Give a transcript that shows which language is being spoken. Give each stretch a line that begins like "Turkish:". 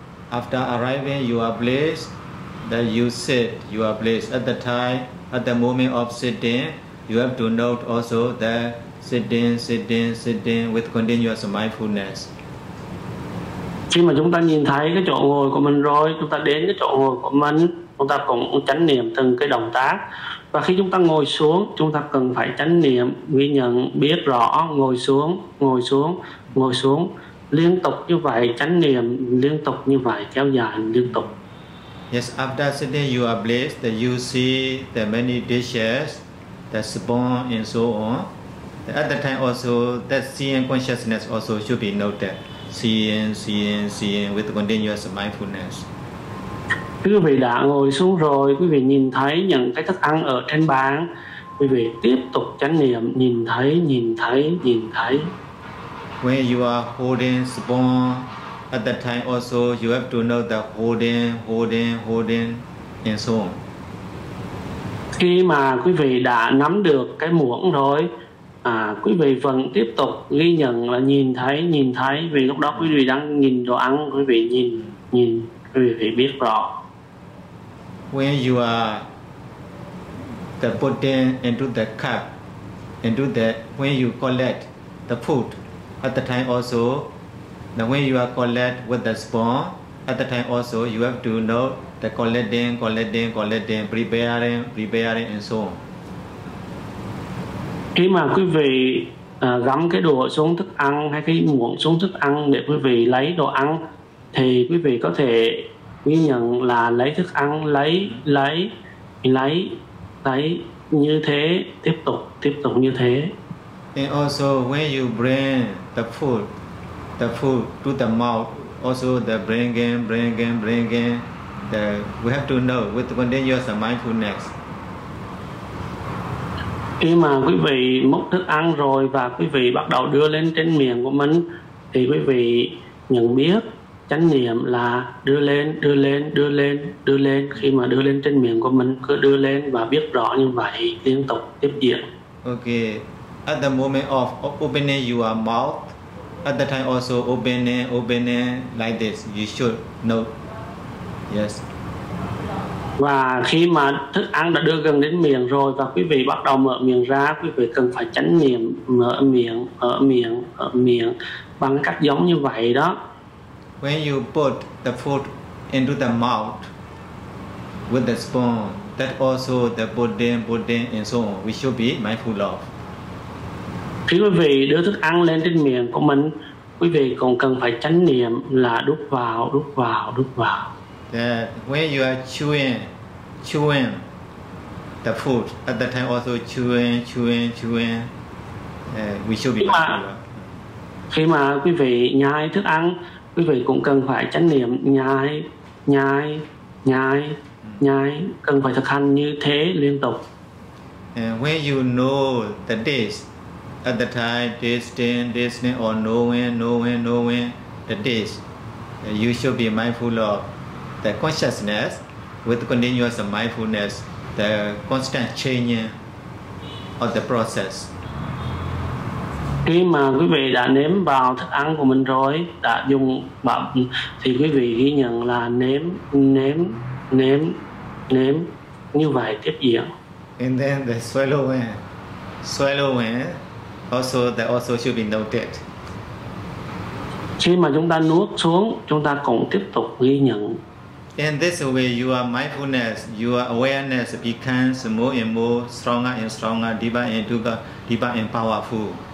English: After arriving, you are blessed that you sit, you are blessed. At the time, at the moment of sitting, you have to note also that sitting with continuous mindfulness.
Vietnamese: Khi mà chúng ta nhìn thấy cái chỗ ngồi của mình rồi, chúng ta đến cái chỗ ngồi của mình, chúng ta cũng chánh niệm từng cái động tác. Và khi chúng ta ngồi xuống, chúng ta cần phải chánh niệm, ghi nhận, biết rõ, ngồi xuống. Liên tục như vậy, chánh niệm liên tục như vậy, kéo dài liên tục.
English: Yes, after sitting you are blessed that you see the many dishes, the spoon and so on. At the time also, that seeing consciousness also should be noted. seeing, seeing, seeing with continuous mindfulness.
Vietnamese: Quý vị đã ngồi xuống rồi, quý vị nhìn thấy những cái thức ăn ở trên bàn. Quý vị tiếp tục chánh niệm, nhìn thấy, nhìn thấy, nhìn thấy.
English: When you are holding spoon, at that time also you have to know the holding, holding, holding, and so on.
Vietnamese: Khi mà quý vị đã nắm được cái muỗng rồi, à, quý vị vẫn tiếp tục ghi nhận là nhìn thấy, nhìn thấy. Vì lúc đó quý vị đang nhìn đồ ăn, quý vị nhìn, nhìn, quý vị biết rõ.
English: When you are the putting into the cup, into the when you collect the food, at the time also, the when you are collect with the spoon, at the time also you have to know the collecting, collecting, collecting, preparing, preparing, and so on.
Vietnamese: Khi mà quý vị gắm cái đũa xuống thức ăn hay cái muỗng xuống thức ăn để quý vị lấy đồ ăn, thì quý vị có thể ghi nhận là lấy thức ăn, lấy như thế, tiếp tục như thế.
English: And also when you bring the food to the mouth, also the bringing, bringing, bringing, the, we have to know with continuous mindfulness.
Vietnamese: Khi mà quý vị múc thức ăn rồi và quý vị bắt đầu đưa lên trên miệng của mình, thì quý vị nhận biết chánh niệm là đưa lên, đưa lên, đưa lên, đưa lên. Khi mà đưa lên trên miệng của mình, cứ đưa lên và biết rõ như vậy, liên tục, tiếp diễn.
English: Okay. At the moment of opening your mouth, at the time also opening, opening like this, you should know. Yes.
Vietnamese: Và khi mà thức ăn đã đưa gần đến miệng rồi và quý vị bắt đầu mở miệng ra, quý vị cần phải chánh niệm mở miệng, mở miệng, mở miệng bằng cách giống như vậy đó.
English: When you put the food into the mouth with the spoon, that also the pudding, pudding and so on, we should be mindful of.
Vietnamese: Khi quý vị đưa thức ăn lên trên miệng của mình, quý vị còn cần phải chánh niệm là đút vào, đút vào, đút vào.
English: That when you are chewing, chewing the food, at that time also chewing, chewing, chewing, we should be mindful.
Vietnamese: Khi mà quý vị nhai thức ăn, quý vị cũng cần phải chánh niệm nhai, nhai, nhai, nhai, cần phải thực hành như thế liên tục.
English: And when you know the taste, at the time, tasting, tasting, or knowing, knowing, knowing the taste, you should be mindful of the consciousness with continuous mindfulness, the constant changing of the process.
Vietnamese: Khi mà quý vị đã nếm vào thức ăn của mình rồi, đã dùng bẩm, thì quý vị ghi nhận là nếm, nếm, nếm, nếm, như vậy tiếp diễn.
English: And then the swallowing, swallowing, also that also should be noted.
Vietnamese: Khi mà chúng ta nuốt xuống, chúng ta cũng tiếp tục ghi nhận.
English: In this way, your mindfulness, your awareness becomes more and more stronger and stronger, deeper and deeper, deeper and powerful.